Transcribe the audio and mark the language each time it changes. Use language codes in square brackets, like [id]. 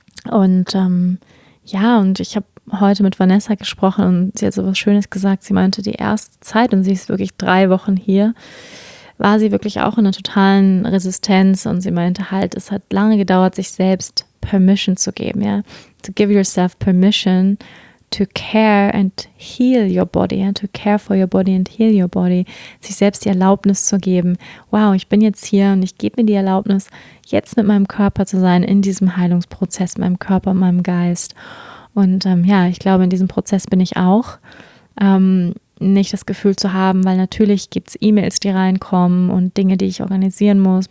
[de] Und ich habe heute mit Vanessa gesprochen und sie hat so was Schönes gesagt. Sie meinte, die erste Zeit, und sie ist wirklich 3 Wochen hier, war sie wirklich auch in einer totalen Resistenz und sie meinte halt, es hat lange gedauert, sich selbst Permission zu geben, ja. [en] To give yourself permission to care and heal your body, ja? To care for your body and heal your body. [de] Sich selbst die Erlaubnis zu geben, wow, ich bin jetzt hier und ich gebe mir die Erlaubnis, jetzt mit meinem Körper zu sein, in diesem Heilungsprozess, meinem Körper, meinem Geist. Und ja, ich glaube, in diesem Prozess bin ich auch. Nicht das Gefühl zu haben, weil natürlich gibt es E-Mails, die reinkommen und Dinge, die ich organisieren muss.